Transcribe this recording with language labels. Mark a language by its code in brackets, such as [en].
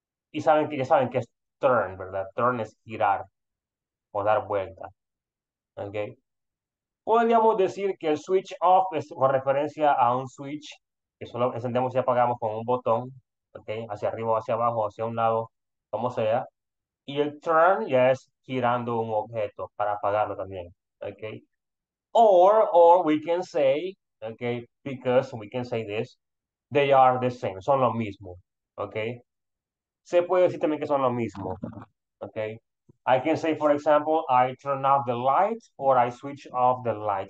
[es] Y saben que, ya saben que es turn, ¿verdad? Turn es girar o dar vuelta. Okay. Podríamos decir que el switch off es con referencia a un switch que solo encendemos y apagamos con un botón, okay, hacia arriba o hacia abajo, hacia un lado, como sea. Y el turn ya es girando un objeto para apagarlo también. [en] Okay. Or we can say, okay, because we can say this, they are the same, [es] son lo mismo. [en] Okay. [es] Se puede decir también que son lo mismo. [en] Okay. I can say, for example, I turn off the light or I switch off the light.